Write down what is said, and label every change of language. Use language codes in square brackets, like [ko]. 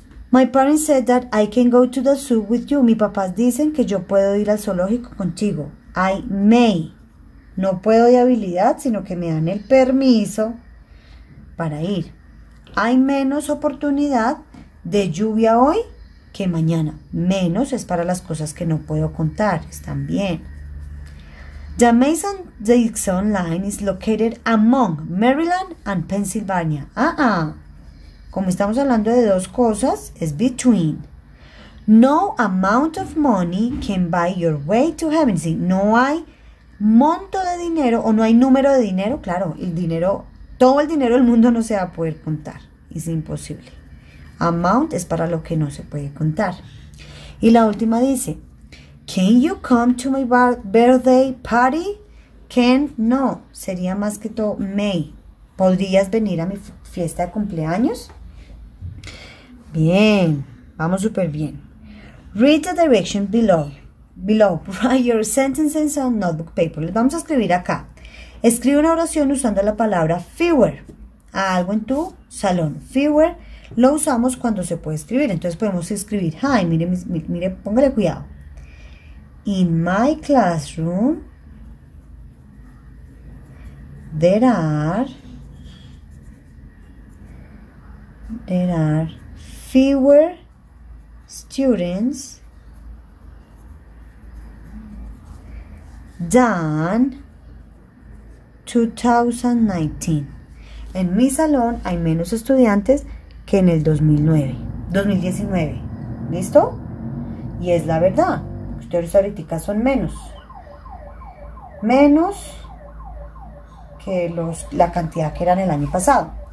[en] My parents said that I can go to the zoo with you. [es] Mis papás dicen que yo puedo ir al zoológico contigo. [en] I may. [es] No puedo de habilidad, sino que me dan el permiso para ir. Hay menos oportunidad de lluvia hoy que mañana. Menos es para las cosas que no puedo contar. Están bien. [en] The Mason-Dixon line is located among Maryland and Pennsylvania. [es] Como estamos hablando de dos cosas, es between. [en] No amount of money can buy your way to heaven. [es] Sí, no hay monto de dinero o no hay número de dinero. Claro, el dinero, todo el dinero del mundo no se va a poder contar. Es imposible. Amount es para lo que no se puede contar. Y la última dice, [en] can you come to my birthday party? Can, no. [es] Sería más que todo may. ¿Podrías venir a mi fiesta de cumpleaños? Bien, vamos súper bien. [en] Read the direction below. Below, write your sentences on notebook paper. [es] Les vamos a escribir acá. Escribe una oración usando la palabra fewer. A algo en tu salón. Fewer lo usamos cuando se puede escribir. Entonces podemos escribir, hi, mire, mire, póngale cuidado. [en] In my classroom, there are fewer students than 2019. [es] En mi salón hay menos estudiantes que en el 2019. ¿Listo? Y es la verdad. Ustedes ahorita son menos. Menos que los la cantidad que eran el año pasado.